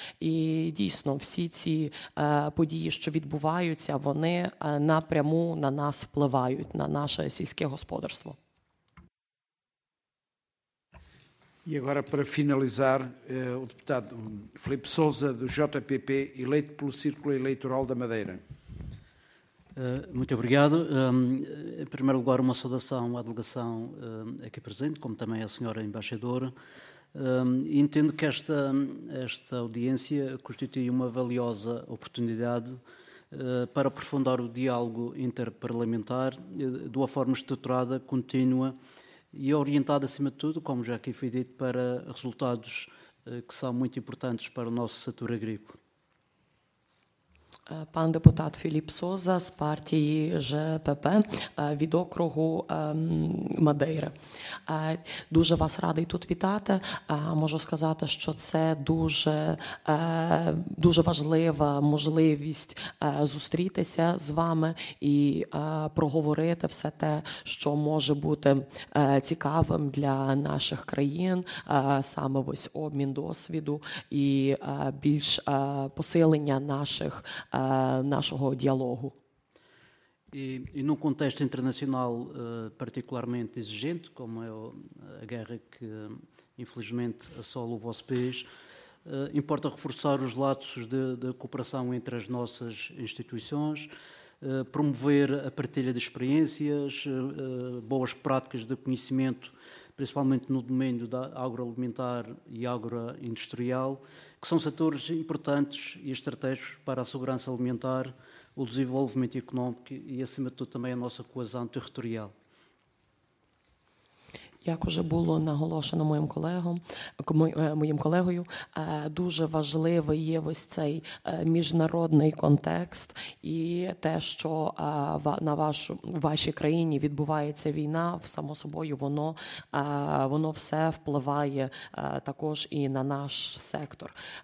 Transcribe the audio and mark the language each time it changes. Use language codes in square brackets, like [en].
[uk] І дійсно всі ці події, що відбуваються, вони напряму на нас впливають, на наше сільське господарство. [pt] E agora, para finalizar, o deputado Filipe Sousa, do JPP, eleito pelo Círculo Eleitoral da Madeira. Muito obrigado. Em primeiro lugar, uma saudação à delegação aqui presente, como também à senhora embaixadora. Entendo que esta audiência constitui uma valiosa oportunidade para aprofundar o diálogo interparlamentar de uma forma estruturada, contínua, e orientado, acima de tudo, como já aqui foi dito, para resultados que são muito importantes para o nosso setor agrícola. [uk] Пан депутат Філіп Соза з партії ЖПП від округу Мадейра. Дуже вас радий тут вітати. Можу сказати, що це дуже, дуже важлива можливість зустрітися з вами і проговорити все те, що може бути цікавим для наших країн, саме ось обмін досвіду і більш посилення нашого діалогу. [pt] І num contexto internacional particularmente exigente, como é a guerra que infelizmente assola o vosso país, importa reforçar os laços de cooperação entre as nossas instituições, promover a partilha de experiências, boas práticas de conhecimento, principalmente no domínio da agroalimentar e agroindustrial, que são setores importantes e estratégicos para a segurança alimentar, o desenvolvimento económico e, acima de tudo, também a nossa coesão territorial. [uk] Як уже було наголошено моїм колегою, дуже важливий є ось цей міжнародний контекст і те, що у вашій країні відбувається війна, само собою воно все впливає також і на наш сектор.